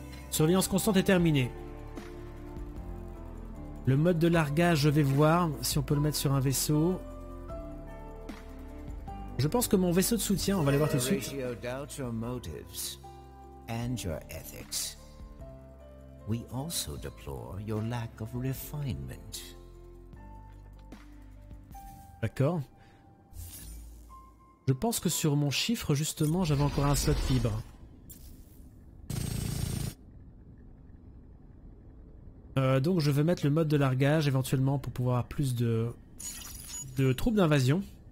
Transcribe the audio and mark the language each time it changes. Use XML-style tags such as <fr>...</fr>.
<fr>Surveillance constante est terminée. Le mode de largage, je vais voir si on peut le mettre sur un vaisseau. Je pense que mon vaisseau de soutien, on va aller voir tout de suite.</fr> <en>Ratio doubts your motives and your ethics. We also deplore your lack of refinement.</en> <fr>D'accord. Je pense que sur mon chiffre, justement, j'avais encore un slot fibre. Donc je vais mettre le mode de largage éventuellement pour pouvoir avoir plus de troupes d'invasion.</fr>